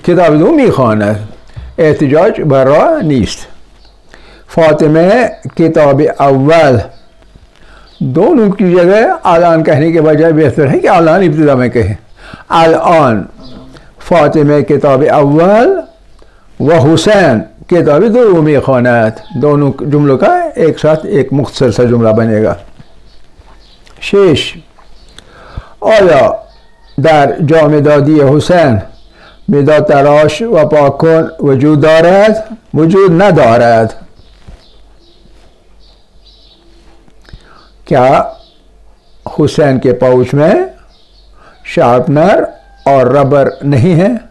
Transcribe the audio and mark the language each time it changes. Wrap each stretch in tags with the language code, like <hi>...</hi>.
<fa>کتاب دوم می خواند، احتیاج برا نیست. فاطمه کتاب اول،</fa> <ur>دونوں کی جگہ الان کہنے کے بجائے بہتر ہے کہ الان ابتدا میں کہیں.</ur> <fa>الان فاطمه کتاب اول و حسین کتاب دوم می خواند.</fa> <ur>دونوں جملوں کا ایک ساتھ ایک مختصر سا جملہ بنے گا.</ur> <fa>شش، آیا در جام دادی حسین مداد تراش و پاکن وجود دارد؟ وجود ندارد.</fa> <ur>کیا حسین کے پاؤچ میں شارپنر اور ربر نہیں ہے؟</ur>